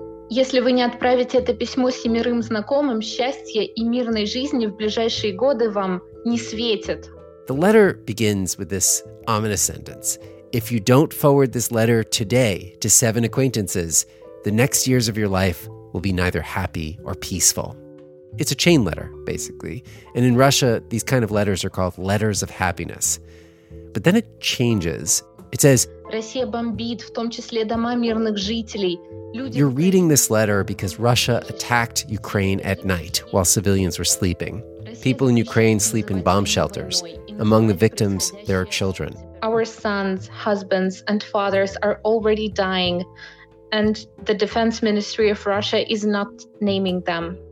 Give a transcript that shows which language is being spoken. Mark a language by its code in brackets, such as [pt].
[ru] Если вы не отправите это письмо семерым знакомым, счастья и мирной жизни в ближайшие годы вам не светит. [en] The letter begins with this ominous sentence. If you don't forward this letter today to 7 acquaintances, the next years of your life will be neither happy or peaceful. It's a chain letter, basically. And in Russia, these kind of letters are called letters of happiness. But then it changes. It says, [ru] Россия бомбит, в том числе дома мирных жителей. [en] You're reading this letter because Russia attacked Ukraine at night while civilians were sleeping. People in Ukraine sleep in bomb shelters. Among the victims, there are children. Our sons, husbands, and fathers are already dying, and the Defense Ministry of Russia is not naming them.